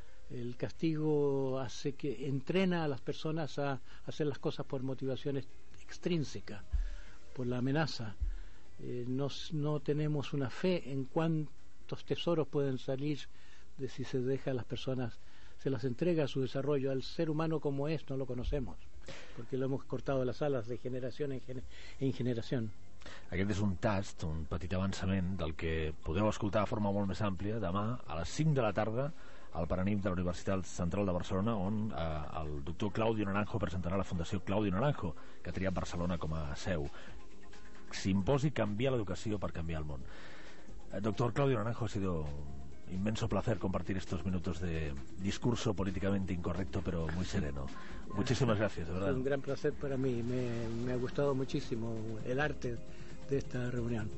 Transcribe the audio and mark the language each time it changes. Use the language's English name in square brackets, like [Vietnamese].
[Spanish] El castigo entrena a las personas a hacer las cosas por motivación extrínseca, por la amenaza. No tenemos una fe en cuántos tesoros pueden salir de si se deja a las personas, se las entrega a su desarrollo. Al ser humano como es, no lo conocemos, porque lo hemos cortado las alas de generación en generación. [Catalan] Aquest és un tast, un petit avançament del que podeu escoltar de forma molt més àmplia demà a les 5 de la tarda al Paranimf de la Universitat Central de Barcelona, on el doctor Claudio Naranjo presentarà la Fundació Claudio Naranjo, que ha triat Barcelona com a seu. Simposi Canviar l'educació per canviar el món. [Spanish] Doctor Claudio Naranjo, ha sido inmenso placer compartir estos minutos de discurso políticamente incorrecto, pero muy sereno. Muchísimas gracias, de verdad. Es un gran placer para mí. Me ha gustado muchísimo el arte de esta reunión.